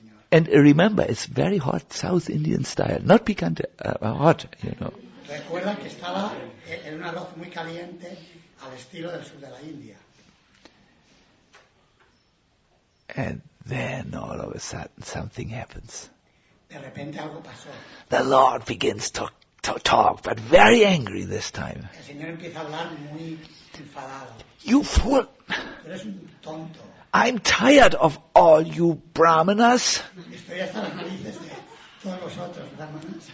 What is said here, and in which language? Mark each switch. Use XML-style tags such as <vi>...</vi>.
<en>And remember, it's very hot, South Indian style, not picante, hot, you know.</en> <es>Recuerda que estaba en un arroz muy caliente al estilo del sur de la India.</es> <en>And then all of a sudden something happens.</en> <es>De repente algo pasó.</es> <en>The Lord begins to talk, but very angry this time.</en> <es>El Señor empieza a hablar muy enfadado.</es> <en>You fool!</en> <es>Eres un tonto.</es> <en>I'm tired of all you brahmanas.</en> <es>Estoy hasta las narices de todos vosotros, brahmanas.</es>